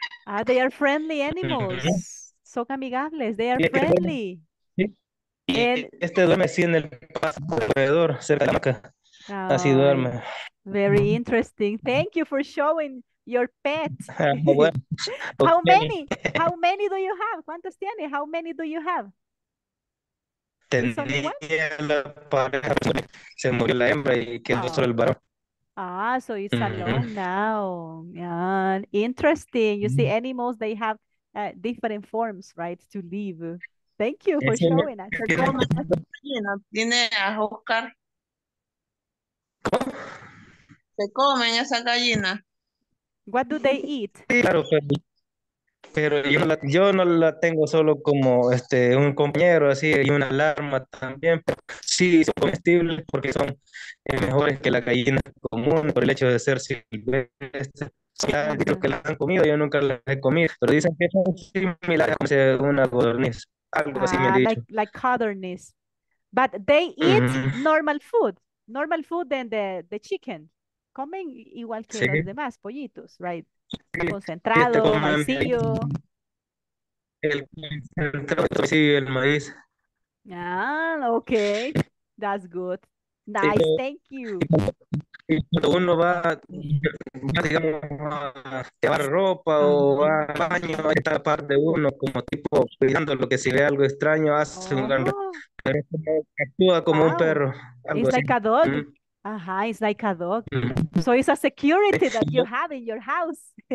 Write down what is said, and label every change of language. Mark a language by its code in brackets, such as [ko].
[en] Ah, they are friendly animals, [es] son amigables, [en] they are friendly. [es] Sí. Este duerme así en el paso alrededor, cerca de la boca, así duerme. [en] Very interesting, thank you for showing your pet. [es] Bueno, [en] okay. How many do you have? [es] ¿Cuántos tiene? [en] How many do you have? [es] Tenía la pareja, se murió la hembra y quedó solo el varón. [en] Ah, so it's alone now. Man. Interesting. You see, animals, they have different forms, right, to live. Thank you for showing us. [es] Tiene a Oscar. Se comen esa gallina. [en] What do they eat? [es] Sí, claro, pero yo no la tengo solo como un compañero así y una alarma también. Pero sí, son comestibles porque son mejores que la gallina común por el hecho de ser silvestre. Sí, creo que las han comido, yo nunca las he comido, pero dicen que son similares como una codorniz, algo así me han dicho. [en] Like codorniz. But they eat normal food than the chicken. [es] Comen igual que los demás, pollitos, right? Concentrado, maicillo. El concentrado, sí, el maíz. [en] Ah, okay. That's good. Nice, thank you. [es] cuando uno va, digamos, a llevar ropa o va al baño, está parte de uno como tipo cuidando lo que si ve algo extraño hace un gran pero como, actúa como un perro. Algo [en] it's like A dog. Ajá, mm-hmm. It's like a dog. Mm-hmm. So it's a security that you have in your house.